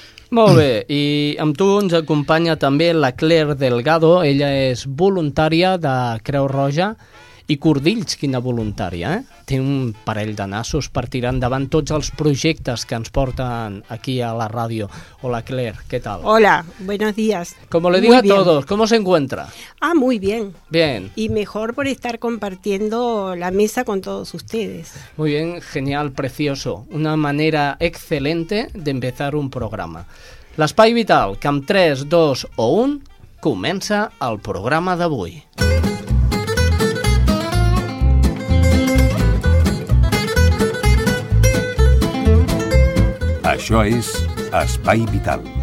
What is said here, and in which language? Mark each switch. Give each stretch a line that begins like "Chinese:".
Catalan: Molt bé, i amb tu ens acompanya també la Claire Delgado. Ella és voluntària de Creu Roja. I Cordills, quina voluntària, eh? Té un parell de nassos per tirar endavant tots els projectes que ens porten aquí a la ràdio. Hola, Claire, què tal?
Spanish: Hola, buenos días. Como le digo a todos, ¿cómo se encuentra? Ah, muy bien. Bien. Y mejor por estar compartiendo la mesa con todos ustedes. Muy bien, genial, precioso. Una manera excelente de empezar un programa.
Catalan: L'Espai Vital, que amb 3, 2 o 1, comença el programa d'avui. Això és Espai Vital.